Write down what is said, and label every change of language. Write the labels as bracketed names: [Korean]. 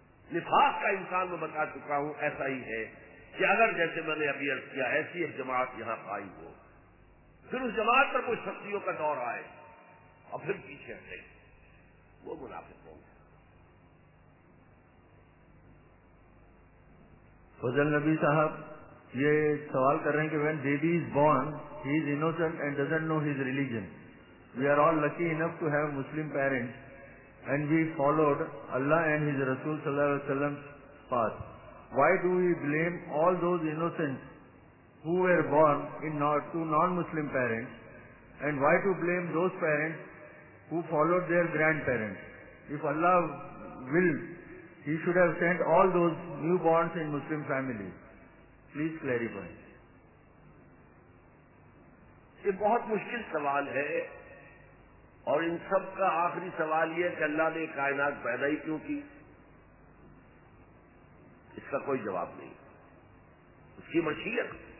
[Urdu] نفاق کا انسان میں بتا چکا ہوں, ایسا ہی ہے کہ اگر جیسے میں نے ابھی عرض کیا ایسی ایک جماعت یہاں قائم ہو, پھر اس جماعت پر کوئی سختیوں کا دور آئے اور پھر پیچھے ہٹے, وہ منافق ہوں گے. فضل نبی صاحب یہ سوال کر رہے ہیں کہ [English] when baby is born he is innocent and doesn't know his religion, we are all lucky enough to have Muslim parents and we followed Allah and his Rasul sallallahu alaihi wasallam's path, why do we blame all those innocents who were born in to non-Muslim parents, and why to blame those parents who followed their grandparents? If Allah will, he should have sent all those newborns in Muslim families. Please clarify. [Urdu] یہ بہت مشکل سوال ہے, اور ان سب کا آخری سوال یہ کہ اللہ نے کائنات پیدا ہی کیوں کی, اس کا کوئی جواب نہیں, اس کی مشیت.